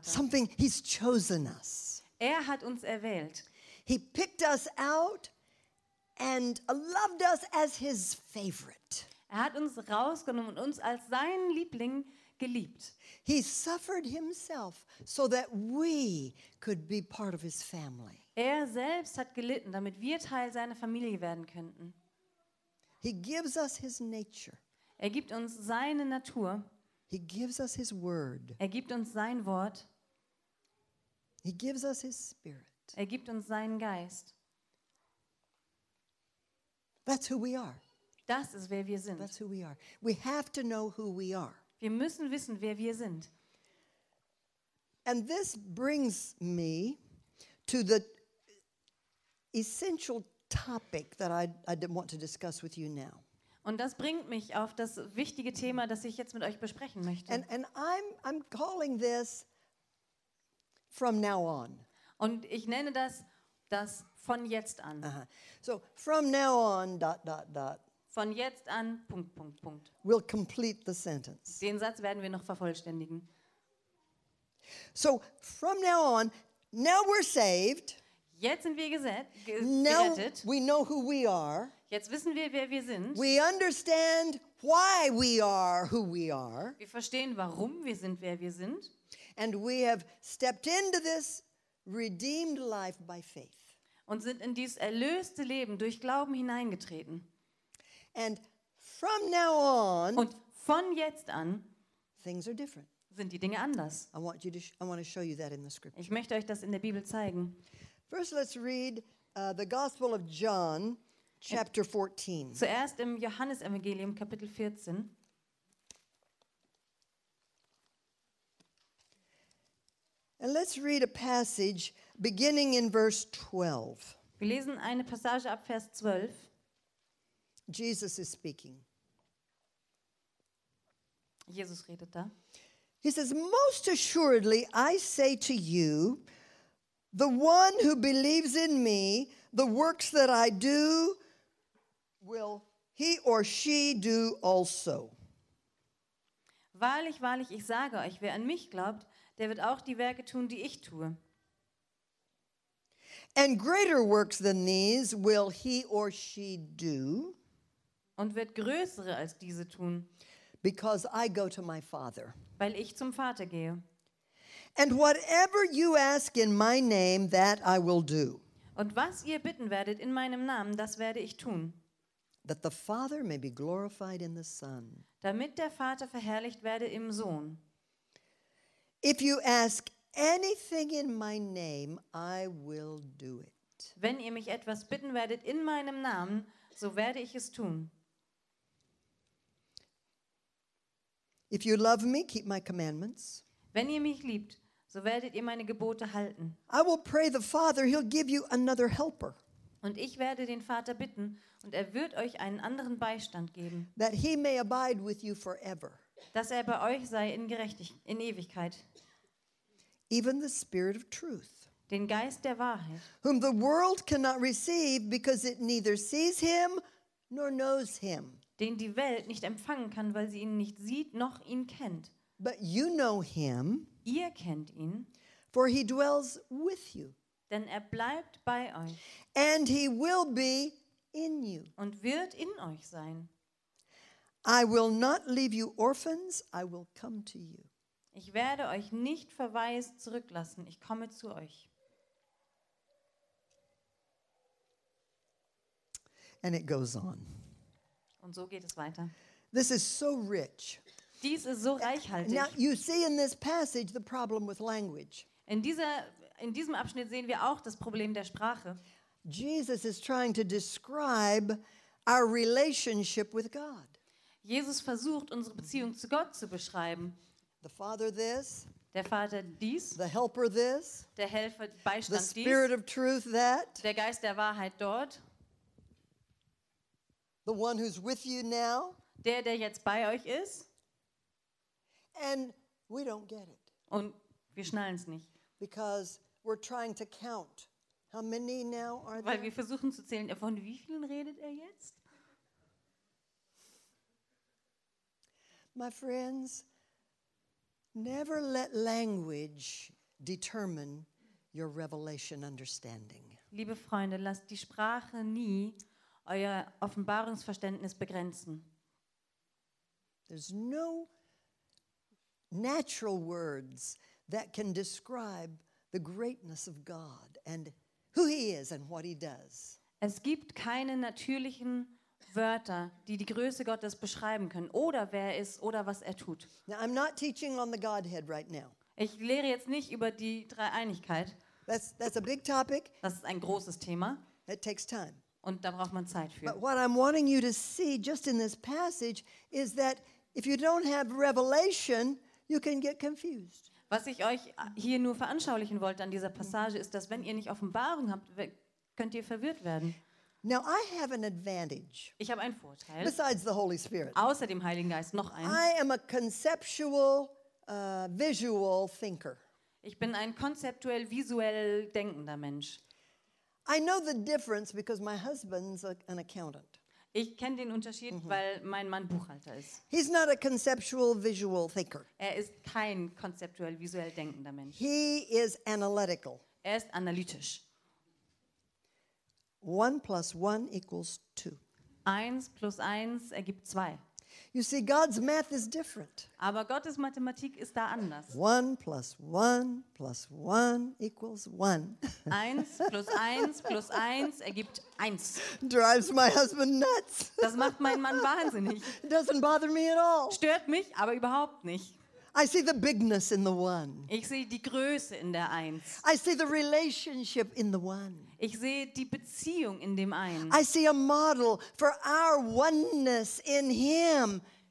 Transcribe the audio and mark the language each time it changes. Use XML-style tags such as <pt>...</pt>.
<en>Something he's chosen us.</en> <de>Er hat uns erwählt.</de> <en>He picked us out and loved us as his favorite.</en> <de>Er hat uns rausgenommen und uns als seinen Liebling geliebt.</de> <en>He suffered himself so that we could be part of his family.</en> <de>Er selbst hat gelitten, damit wir Teil seiner Familie werden könnten.</de> <en>He gives us his nature.</en> <de>Er gibt uns seine Natur.</de> <en>He gives us his word.</en> <de>Er gibt uns sein Wort.</de> <en>He gives us his spirit.</en> <de>Er gibt uns seinen Geist.</de> <en>That's who we are.</en> <de>Das ist, wer wir sind.</de> <en>That's who we are. We have to know who we are.</en> <de>Wir müssen wissen, wer wir sind.</de> <en>And this brings me to the essential topic that I didn't want to discuss with you now.</en> <de>Und das bringt mich auf das wichtige Thema, das ich jetzt mit euch besprechen möchte.</de> <en>And I'm calling this from now on.</en> <de>Und ich nenne das das von jetzt an.</de> <en>Uh-huh. So from now on dot dot dot.</en> <de>Von jetzt an Punkt Punkt Punkt.</de> <en>We'll complete the sentence.</en> <de>Den Satz werden wir noch vervollständigen.</de> <en>So from now on, now we're saved.</en> <de>Jetzt sind wir gerettet.</de> <en>Now we know who we are.</en> <de>Jetzt wissen wir, wer wir sind.</de> <en>We understand why we are who we are.</en> <de>Wir verstehen, warum wir sind, wer wir sind.</de> <en>And we have stepped into this redeemed life by faith.</en> <de>Und sind in dieses erlöste Leben durch Glauben hineingetreten.</de> <en>And from now on,</en> <de>und von jetzt an,</de> <en>things are different.</en> <de>Sind die Dinge anders.</de> <en>I want to show you that in the scripture.</en> <de>Ich möchte euch das in der Bibel zeigen.</de> <en>First, let's read the Gospel of John, chapter 14.</en> <de>Zuerst im Johannesevangelium, Kapitel 14.</de> <en>And let's read a passage beginning in verse 12.</en> <de>Wir lesen eine Passage ab Vers 12.</de> <en>Jesus is speaking.</en> <de>Jesus redet da.</de> <en>He says, "Most assuredly, I say to you, the one who believes in me, the works that I do, will he or she do also."</en> <de>Wahrlich, wahrlich, ich sage euch, wer an mich glaubt, der wird auch die Werke tun, die ich tue.</de> <en>And greater works than these will he or she do.</en> <de>Und wird größere als diese tun.</de> <en>Because I go to my Father.</en> <de>Weil ich zum Vater gehe.</de> <en>And whatever you ask in my name, that I will do.</en> <de>Und was ihr bitten werdet in meinem Namen, das werde ich tun.</de> <en>That the Father may be glorified in the Son.</en> <de>Damit der Vater verherrlicht werde im Sohn.</de> <en>If you ask anything in my name, I will do it.</en> <de>Wenn ihr mich etwas bitten werdet in meinem Namen, so werde ich es tun.</de> <en>If you love me, keep my commandments.</en> <de>Wenn ihr mich liebt, so werdet ihr meine Gebote halten.</de> <en>I will pray the Father, he'll give you another helper.</en> <de>Und ich werde den Vater bitten und er wird euch einen anderen Beistand geben.</de> <en>That he may abide with you forever.</en> <de>Dass er bei euch sei in Gerechtigkeit, in Ewigkeit.</de> <en>Even the Spirit of Truth.</en> <de>Den Geist der Wahrheit.</de> <en>Whom the world cannot receive because it neither sees him nor knows him.</en> <de>Den die Welt nicht empfangen kann, weil sie ihn nicht sieht noch ihn kennt.</de> <en>But you know him.</en> <de>Ihr kennt ihn.</de> <en>For he dwells with you.</en> <de>Denn er bleibt bei euch.</de> <en>And he will be in you.</en> <de>Und wird in euch sein.</de> <en>I will not leave you orphans, I will come to you.</en> <de>Ich werde euch nicht verwaist zurücklassen, ich komme zu euch.</de> <en>And it goes on.</en> <de>Und so geht es weiter.</de> <en>This is so rich.</en> <de>Dies ist so reichhaltig.</de> <en>Now you see in this passage the problem with language.</en> <de>In diesem Abschnitt sehen wir auch das Problem der Sprache.</de> <en>Jesus is trying to describe our relationship with God.</en> <de>Jesus versucht unsere Beziehung zu Gott zu beschreiben.</de> <en>The Father this.</en> <de>Der Vater dies.</de> <en>The Helper this.</en> <de>Der Helfer Beistand dies.</de> <en>The Spirit of Truth that.</en> <de>Der Geist der Wahrheit dort.</de> <en>The one who's with you now.</en> <de>Der jetzt bei euch ist.</de> <en>And we don't get it.</en> <de>Und wir schnallen es nicht.</de> <en>Because we're trying to count. How many now are there?</en> <de>Weil wir versuchen zu zählen, von wie vielen redet jetzt?</de> <en>My friends, never let language determine your revelation understanding.</en> <de>Liebe Freunde, lasst die Sprache nie euer Offenbarungsverständnis begrenzen.</de> <en>There's no natural words that can describe the greatness of God and who he is and what he does.</en> <de>Es gibt keine natürlichen Wörter, die Größe Gottes beschreiben können oder wer er ist oder was er tut.</de> <en>Now, I'm not teaching on the Godhead right now.</en> <de>Ich lehre jetzt nicht über die Dreieinigkeit.</de> <en>That's a big topic.</en> <de>Das ist ein großes Thema.</de> <en>It takes time.</en> <de>Und da braucht man Zeit für.</de> <en>But what I'm wanting you to see just in this passage is that if you don't have revelation, you can get confused.</en> <de>Was ich euch hier nur veranschaulichen wollte an dieser Passage ist, dass wenn ihr nicht Offenbarung habt, könnt ihr verwirrt werden.</de> <en>Now I have an advantage.</en> <de>Ich habe einen Vorteil.</de> <en>Besides the Holy Spirit.</en> <de>Außer dem Heiligen Geist noch einen.</de> <en>I am a conceptual visual thinker.</en> <de>Ich bin ein konzeptuell visuell denkender Mensch.</de> <en>I know the difference because my husband's an accountant.</en> <de>Ich kenne den Unterschied, weil mein Mann Buchhalter ist.</de> <en>He's not a conceptual visual thinker.</en> <de>Er ist kein konzeptuell visuell denkender Mensch.</de> <en>He is analytical.</en> <de>Er ist analytisch.</de> <en>1 + 1 = 2.</en> <de>1 + 1 = 2.</de> <en>You see, God's math is different.</en> <de>Aber Gottes Mathematik ist da anders.</de> <en>1 + 1 + 1 = 1.</en> <de>1 + 1 + 1 = 1.</de> <en>Drives my husband nuts.</en> <de>Das macht meinen Mann wahnsinnig.</de> <en>Doesn't bother me at all.</en> <de>Stört mich aber überhaupt nicht.</de> <en>I see the bigness in the one.</en> <de>Ich sehe die Größe in der Eins.</de> <en>I see the relationship in the one.</en> <de>Ich sehe die Beziehung in dem Einen.</de> <en>I see a model for our oneness in him.</en>